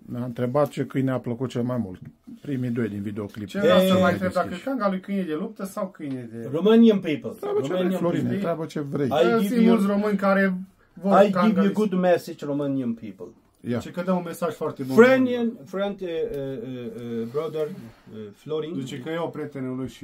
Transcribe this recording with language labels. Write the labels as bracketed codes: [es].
[ro] Ne-a întrebat ce câine a plăcut cel mai mult. Primii doi din videoclip. Ce vreau să mai întreb, dacă Kangal lui câine de luptă sau câine de... [en] Romanian people. [ro] Treabă ce vrei, Florine, treabă ce vrei. Sunt mulți români care vor Kangal. [en] I give you a good message, Romanian people. Yeah. [ro] Zice că dă un mesaj foarte bun. [en] Friend, brother, Florin. [ro] Zice că e o prietenă lui și...